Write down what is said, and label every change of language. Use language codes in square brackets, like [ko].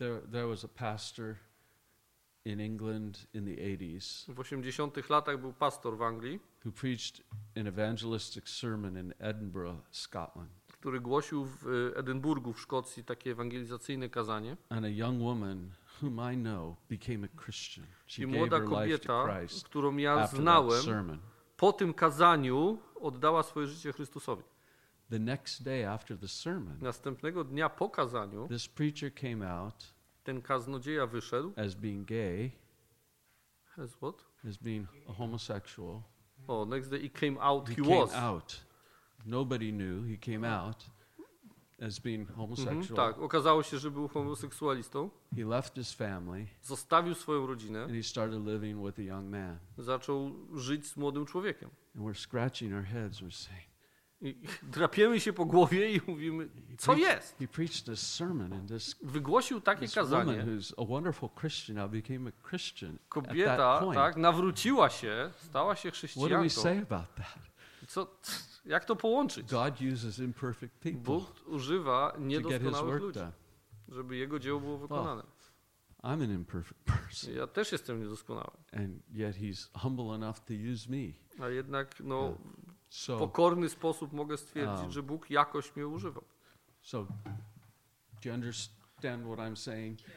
[en] There was a pastor in England in the 80s. [pl] W 80-tych latach był pastor w Anglii. [en] Who preached an evangelistic sermon in Edinburgh, Scotland. [pl] Który głosił w Edynburgu w Szkocji takie ewangelizacyjne kazanie. [en] And a young woman whom I know became a Christian. [pl] I młoda kobieta, którą ja znałem, po tym kazaniu oddała swoje życie Chrystusowi. [en] The next day after the sermon, [pl] następnego dnia po kazaniu, [en] this preacher came out, [pl] ten kaznodzieja wyszedł, [en] as being gay, as what? As being a homosexual. Oh, next day he came out, he came was. Out. Nobody knew, he came out. As being homosexual. Mm-hmm, [pl] tak, okazało się, że był homoseksualistą. [en] He left his family. [pl] Zostawił swoją rodzinę. [en] And he started living with a young man. [pl] Zaczął żyć z młodym człowiekiem. [en] And we're scratching our heads, we're saying. [pl] I drapiemy się po głowie i mówimy, co jest? [en] He preached a sermon and this. [pl] Wygłosił takie kazanie. [en] Woman who's a wonderful Christian now became a Christian. [pl] Kobieta, [en] at that point. [pl] Tak, nawróciła się, stała się chrześcijanką. [en] What do we say about that? [pl] Co? Jak to połączyć? [en] God uses imperfect people. [pl] Bóg używa niedoskonałych ludzi, żeby jego dzieło było wykonane. [en] Well, I'm an imperfect person. [pl] Ja też jestem niedoskonały. [en] And yet he's humble enough to use me. [pl] A jednak no, so, w pokorny sposób mogę stwierdzić, że Bóg jakoś mnie używa. [en] So, do you understand what I'm saying?